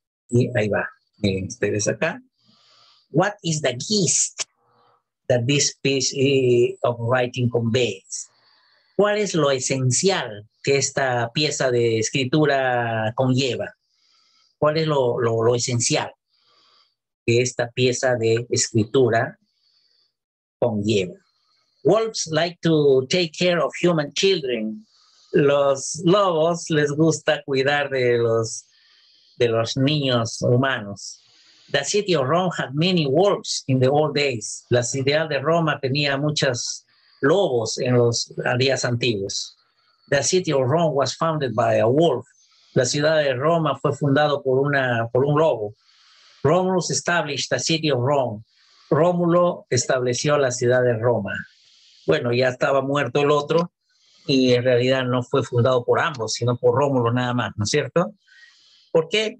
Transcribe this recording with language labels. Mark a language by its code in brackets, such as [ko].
[es] Y ahí va, miren ustedes acá. [en] What is the gist that this piece of writing conveys? [es] ¿Cuál es lo esencial que esta pieza de escritura conlleva? ¿Cuál es lo esencial que esta pieza de escritura conlleva? [en] Wolves like to take care of human children. [es] Los lobos les gusta cuidar de los niños humanos. [en] The city of Rome had many wolves in the old days. [es] La ciudad de Roma tenía muchos lobos en los días antiguos. [en] The city of Rome was founded by a wolf. [es] La ciudad de Roma fue fundada por un lobo. [en] Romulus established the city of Rome. [es] Rómulo estableció la ciudad de Roma. Bueno, ya estaba muerto el otro y en realidad no fue fundado por ambos, sino por Rómulo nada más, ¿no es cierto? ¿Por qué?